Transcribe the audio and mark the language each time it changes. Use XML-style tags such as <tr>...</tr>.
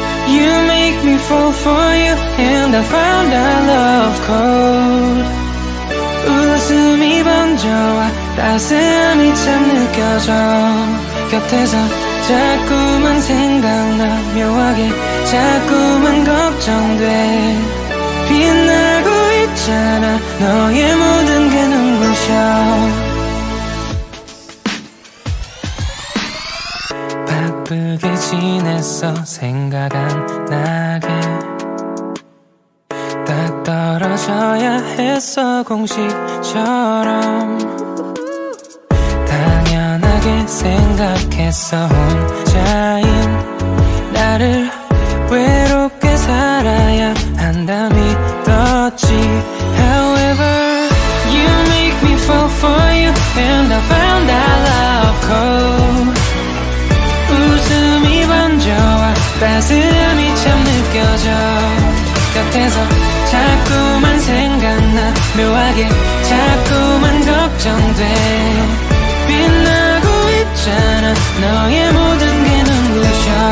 <en>You make me fall for you, and I found our love code.</en> <ko>웃음이 번져와 따스함이 참 느껴져. 곁에서 자꾸만 생각나, 묘하게 자꾸만 걱정돼. 빛나고 있잖아, 너의 모든 게 눈부셔. 바쁘게 지냈어, 생각 안 나게. 딱 떨어져야 했어, 공식처럼. 당연하게 생각했어, 혼자인 나를 외롭게 살아야 한다 믿었지.</ko> <en>However, you make me fall for you, and I found our love code.</en> <ko>웃음이 번져와 따스함이 참 느껴져. 곁에서 자꾸만 생각나, 묘하게 자꾸만 걱정돼. 빛나고 있잖아, 너의 모든 게 눈부셔.</ko>